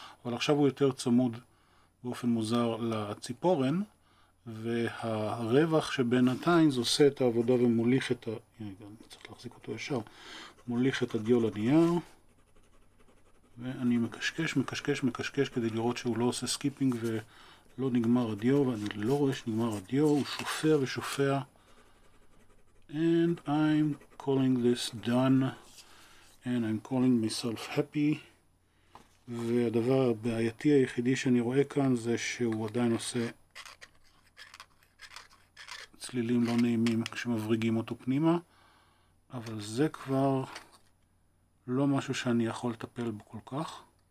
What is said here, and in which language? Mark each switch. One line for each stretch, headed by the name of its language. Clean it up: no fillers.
Hebrew: אבל עכשיו הוא יותר צמוד באופן מוזר לציפורן, והרווח שבינתיים זה עושה את העבודה ומוליך את ה... אני צריך להחזיק אותו ישר. מוליך את הדיו לנייר, ואני מקשקש, מקשקש, מקשקש כדי לראות שהוא לא עושה סקיפינג ו... לא נגמר הדיו, ואני לא רואה שנגמר הדיו, הוא שופע ושופע.
English: And I'm calling this done, and I'm calling myself happy.
Hebrew: והדבר הבעייתי היחידי שאני רואה כאן זה שהוא עדיין עושה צלילים לא נעימים כשמבריגים אותו פנימה, אבל זה כבר לא משהו שאני יכול לטפל בו כל כך.